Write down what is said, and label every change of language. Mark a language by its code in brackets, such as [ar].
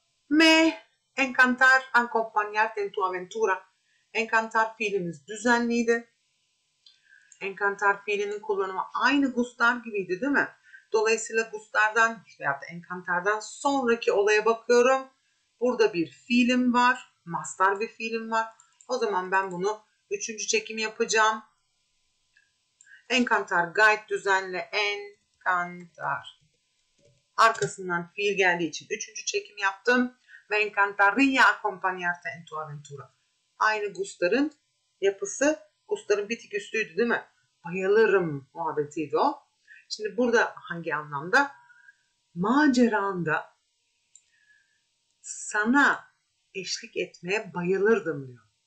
[es] Me encantar acompañarte en tu aventura. [tr] Encantar fiilimiz düzenliydi. Encantar fiilinin kullanımı aynı gustar gibiydi değil mi? Dolayısıyla gustardan veya da encantardan sonraki olaya bakıyorum. Burada bir fiilim var. Mastar bir fiilim var. O zaman ben bunu üçüncü çekim yapacağım. Encantar gayet düzenli. Encantar. Arkasından fiil geldiği için üçüncü çekim yaptım. [es] Ve encantaria acompañarte en tu aventura. [tr] Aynı gustarın yapısı, gustarın bir tık üstüydü değil mi? Bayılırım muhabbetiydi o. Şimdi burada hangi anlamda? Maceranda sana eşlik etmeye bayılırdım diyor.